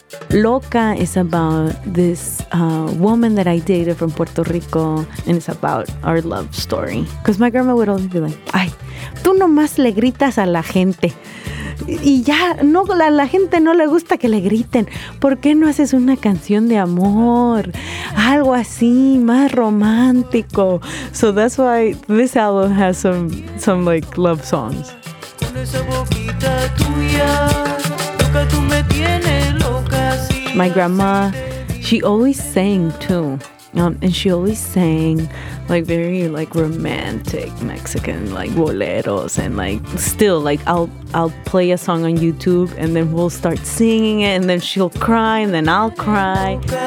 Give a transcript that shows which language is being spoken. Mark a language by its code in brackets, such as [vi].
[en] Loca is about this woman that I dated from Puerto Rico, and it's about our love story. Because my grandma would always be like, [es] ay, tú nomás le gritas a la gente. Y ya, no, a la gente no le gusta que le griten. ¿Por qué no haces una canción de amor? Algo así, más romántico. [en] So that's why this album has some like love songs. [es] Con esa boquita tuya, loca, tú me tienes. [en] My grandma, she always sang too, and she always sang like very like romantic Mexican like boleros, and like still like I'll play a song on YouTube and then we'll start singing it, and then she'll cry and then I'll cry.